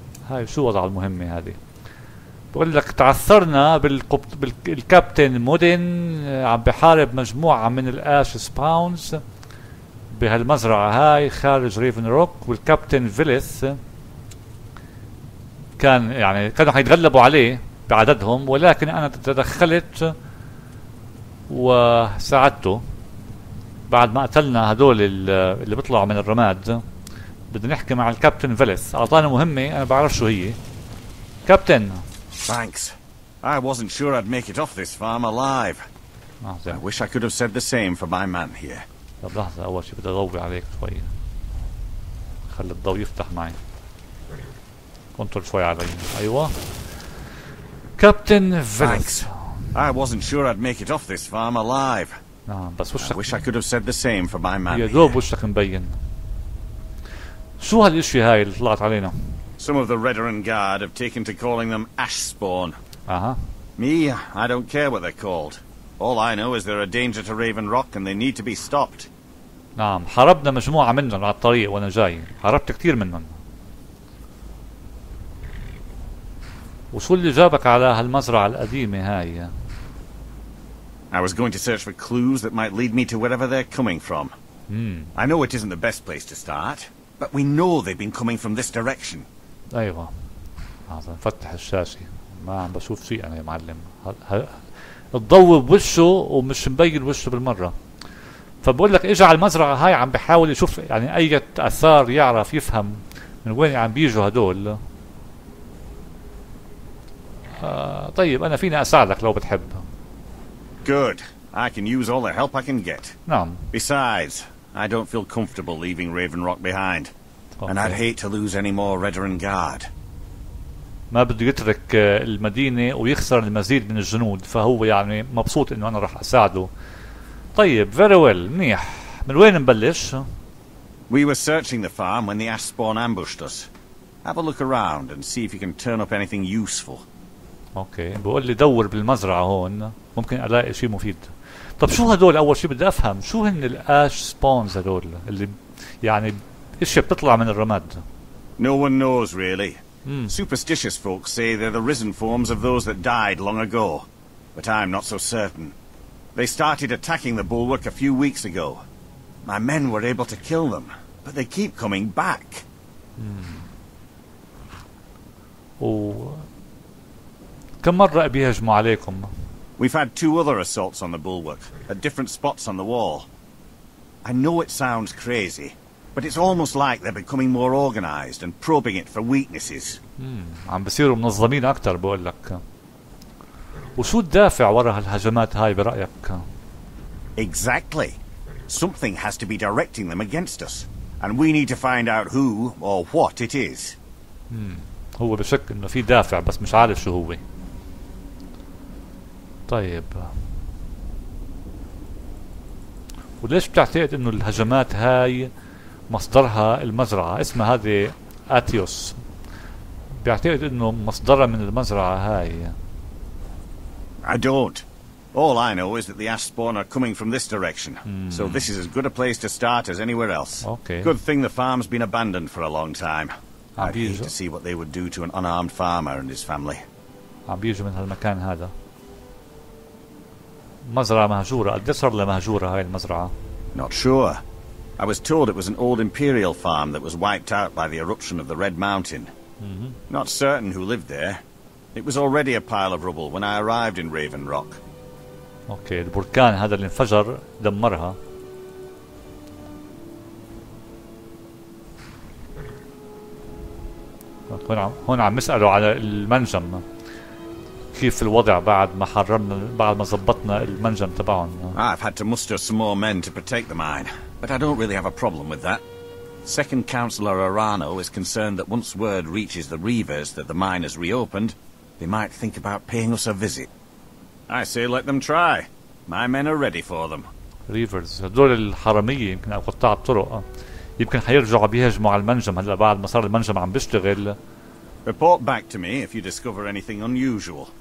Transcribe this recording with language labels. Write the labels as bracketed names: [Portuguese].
[Arabic] هاي شو وضع المهمة هذه؟ بقول لك تعثرنا بالكابتن مودن عم بحارب مجموعة من الأش سباونز بهالمزرعة هاي خارج ريفن روك، والكابتن فيليث كان يعني كانوا حيتغلبوا عليه بعددهم، ولكن انا تدخلت وساعدته بعد ما قتلنا هدول اللي بيطلعوا من الرماد. بدنا نحكي مع الكابتن فيليث، اعطاني مهمه انا بعرف شو هي. كابتن [English] Thanks, I wasn't sure I'd make it off this farm alive. I wish I could have said the same for my man here. [Arabic] طب لحظة، أول شي بدي أضوي عليك شوي، خلي الضوء يفتح معي. كنترول شوي علي. أيوة كابتن فانكس. [English] I wasn't sure I'd make it off this farm alive. [Arabic] نعم بس وشك. [English] I wish I could have said the same for my man. [Arabic] يا دوب وشك مبين. شو هالإشي هاي اللي طلعت علينا؟ [English] Some of the Redoran guard have taken to calling them Ashspawn. Aha. Me, I don't care what they're called. All I know is they're a danger to Raven Rock and they need to be stopped. [Arabic] نعم حربنا مجموعة منهم على الطريق وأنا جاي. حربت كتير منهم. وشو اللي جابك على هالمزرعة القديمة هاي؟ [English] I was going to search for clues that might lead me to wherever they're coming from. I know it isn't the best place to start, but we know they've been coming from this direction. [Arabic] أيوة. هذا فتح الشاشة. ما عم بشوف شيء أنا يا معلم. الضوء بوشه ومش مبين وشه بالمرة. فبقول لك إجا على المزرعة هاي عم بحاول يشوف يعني أي أثار يعرف يفهم من وين عم بيجوا هدول. طيب أنا فيني أساعدك لو بتحب. [English] Good. I can use all the help I can get. [Arabic] نعم. [English] Besides, I don't feel comfortable leaving Raven Rock behind. Okay. And I'd hate to lose any more Redoran guard. [Arabic] ما بده يترك المدينة ويخسر المزيد من الجنود، فهو يعني مبسوط إنه أنا راح أساعده. طيب [English] very well. [Arabic] منيح. من وين نبلش؟ [English] We were searching the farm when the Ashspawn ambushed us. Have a look around and see if you can turn up anything useful. [Arabic] اوكي بقول لي دور بالمزرعة هون ممكن الاقي شيء مفيد. طب شو هدول اول شيء بدي افهم شو هن الاش سبونز هدول اللي يعني ايش بتطلع من الرماد. [English] No one knows really. Superstitious folks say they're the risen forms of those that died long ago, but I'm not so certain. They started attacking the bulwark a few weeks ago. My men were able to kill them, but they keep coming back. [Arabic] كم مرة بيهجموا عليكم؟ [English] We've had two other assaults on the bulwark, at different spots on the wall. I know it sounds crazy, but it's almost like they're becoming more organized and probing it for weaknesses. [Arabic] عم بصيروا منظمين أكتر بقول لك. وشو الدافع وراء هالهجمات هاي برأيك؟ [English] Exactly. Something has to be directing them against us, and we need to find out who or what it is. [Arabic] هو بشك إنه في دافع بس مش عارف شو هو. طيب وليش بتعتقد انه الهجمات هاي مصدرها المزرعة اسمها هذه اتيوس بيعتقد انه مصدرها من المزرعة هاي. [English] I don't. All I know is that the Ashspawn are coming from this direction. So this is as good a place to start as anywhere else. Okay. Good thing the farm's been abandoned for a long time. I'd hate to see what they would do to an unarmed farmer and his family. [Arabic] عم بيجوا من هالمكان هذا. مزرعة مهجورة. قديش صار لها مهجورة هاي المزرعة؟ [English] Not sure. I was told it was an old imperial farm that was wiped out by the eruption of the Red Mountain. Not certain who lived there. It was already a pile of rubble when I arrived in Raven Rock. [Arabic] اوكي البركان هذا اللي انفجر دمرها. هون عم يسألوا على المنجم. كيف الوضع بعد ما حررنا بعد ما ضبطنا المنجم تبعهم؟ [English] I've had to muster some more men to protect the mine, but I don't really have a problem with that. Second Councillor Arano is concerned that once word reaches the Reavers that the mine has reopened, they might think about paying us a visit. I say let them try. My men are ready for them. [Arabic] Reavers هدول الحرامية يمكن أو قطاع الطرق يمكن حيرجعوا بيهجموا على المنجم هلا بعد ما صار المنجم عم بيشتغل. [English] Report back to me if you discover anything unusual.